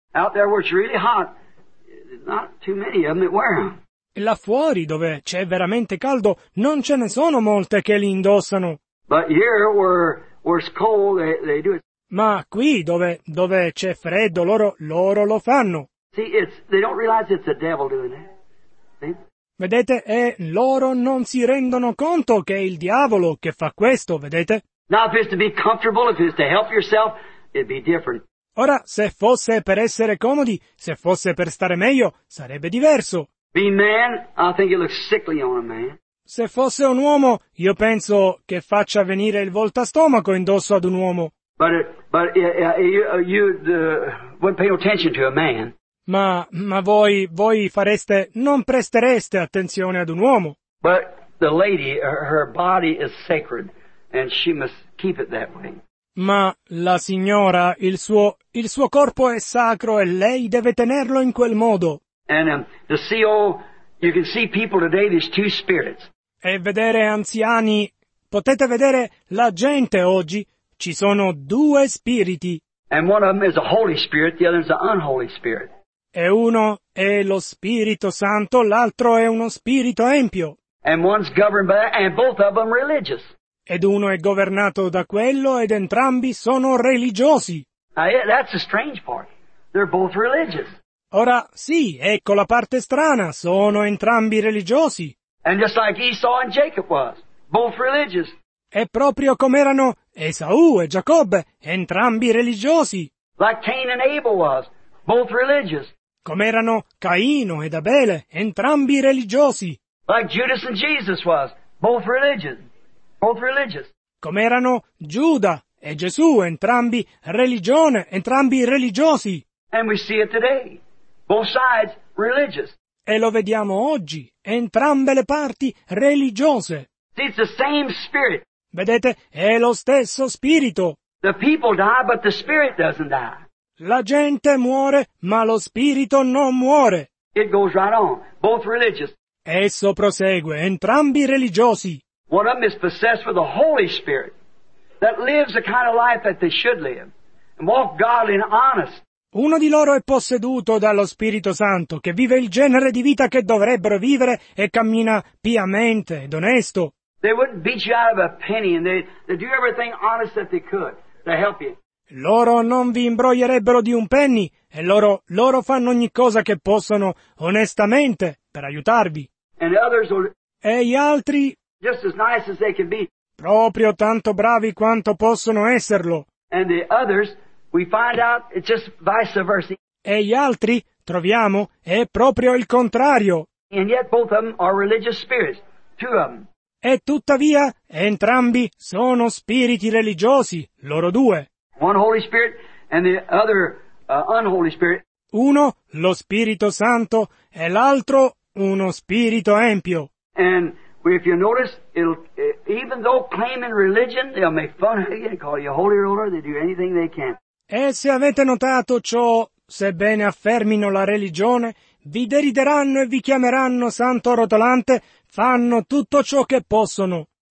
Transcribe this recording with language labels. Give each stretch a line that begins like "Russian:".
English: Out there where it's really hot, not too many of them that wear them.
Italian: Là fuori, dove c'è veramente caldo, non ce ne sono molte che li indossano.
English: But here where it's cold, they do it.
Italian: Ma qui, dove c'è freddo, loro lo fanno.
English: See, they don't realize it's the devil doing it.
Italian: Vedete, e loro non si rendono conto che è il diavolo che fa questo, vedete?
English: Now, if it's to be comfortable, if it's to help yourself, it'd be different.
Italian: Ora, se fosse per essere comodi, se fosse per stare meglio, sarebbe diverso.
English: Be man, I think it looks sickly on a man.
Italian: Se fosse un uomo, io penso che faccia venire il voltastomaco indosso ad un uomo.
English: But you wouldn't pay attention to a man.
Italian: Ma voi fareste, non prestereste attenzione ad un uomo.
English: But the lady, her body is sacred, and she must keep it that way.
Italian: Ma la signora, il suo corpo è sacro e lei deve tenerlo in quel modo.
English: And the CO, you can see people today, there's two spirits.
Italian: E vedere anziani, potete vedere la gente oggi, ci sono due spiriti.
English: And one of them is a Holy Spirit, the other is an unholy spirit.
Italian: E uno è lo Spirito Santo, l'altro è uno spirito empio.
English: And one's governed by, and both of them religious.
Italian: Ed uno è governato da quello, ed entrambi sono religiosi.
English: That's the strange part. They're both religious.
Italian: Ora, sì, ecco la parte strana, sono entrambi religiosi.
English: And just like Esau and Jacob was, both religious.
Italian: E proprio come erano Esau e Giacobbe, entrambi religiosi.
English: Like Cain and Abel was, both religious.
Italian: Come erano Caino ed Abele, entrambi religiosi.
English: Like Judas and Jesus was, both religious. Both religious.
Italian: Come erano Giuda e Gesù, entrambi religiosi.
English: And we see it today. Both sides religious.
Italian: E lo vediamo oggi, entrambe le parti religiose.
English: See, it's the same spirit.
Italian: Vedete, è lo stesso spirito.
English: The people die, but the spirit doesn't die.
Italian: La gente muore, ma lo spirito non muore.
English: It goes right on, both religious.
Italian: Esso prosegue, entrambi religiosi.
English: One of them is possessed with the Holy Spirit that lives the kind of life that they should live and walk godly and honest.
Italian: Uno di loro è posseduto dallo Spirito Santo, che vive il genere di vita che dovrebbero vivere e cammina piamente ed onesto.
English: They wouldn't beat you out of a penny and they do everything honest that they could to help you.
Italian: Loro non vi imbroglierebbero di un penny e loro fanno ogni cosa che possono onestamente per aiutarvi. E gli altri,
English: just as nice as they can be,
Italian: proprio tanto bravi quanto possono esserlo.
English: And the others, we find out it's just vice versa.
Italian: E gli altri, troviamo, è proprio il contrario.
English: And yet both of them are religious spirits, two of them.
Italian: E tuttavia, entrambi sono spiriti religiosi, loro due.
English: One Holy Spirit and the other, unholy spirit.
Italian: Uno, lo Spirito Santo, e l'altro, uno spirito empio.
English: And if you notice, even though claiming religion, they'll make fun of you and call you a holy roller, they do anything they can.
Italian: E se avete notato ciò, sebbene affermino la religione, vi derideranno e vi chiameranno santo rotolante, fanno tutto ciò che possono.